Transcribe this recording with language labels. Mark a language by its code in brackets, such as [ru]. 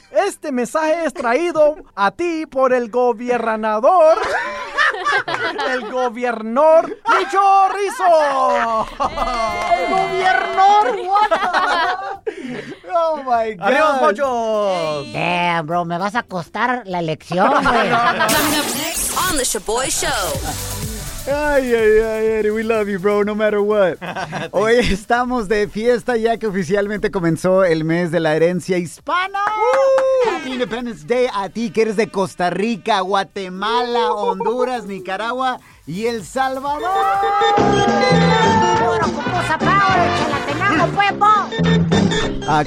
[es] Este mensaje es traído a ti por el gobernador El gobernador Micho Rizzo. El gobernador. [en] Oh my God. [es] Adiós, pochos. [en] Damn, bro, [es] me vas a costar la elección. [en] Coming up next on the Sha'Boy Show. Ay, ay, ay, Eddie, we love you, bro, no matter what. [es] Hoy estamos de fiesta ya que oficialmente comenzó el mes de la herencia hispana. [en] Happy Independence Day [es] a ti que eres de Costa Rica, Guatemala, Honduras, Nicaragua y El Salvador. Bueno, con cosa power, Chalatenango, Pepo.